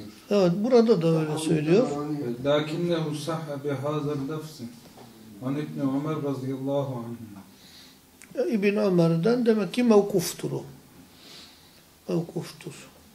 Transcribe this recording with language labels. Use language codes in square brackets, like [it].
[tr] Evet, burada da öyle söylüyor. [ar] لكنه صح بهذا اللفظ عن ابن عمر رضي الله عنه. [tr] İbn Ömer'den demek ki mevkuftur o. Mevkuftur.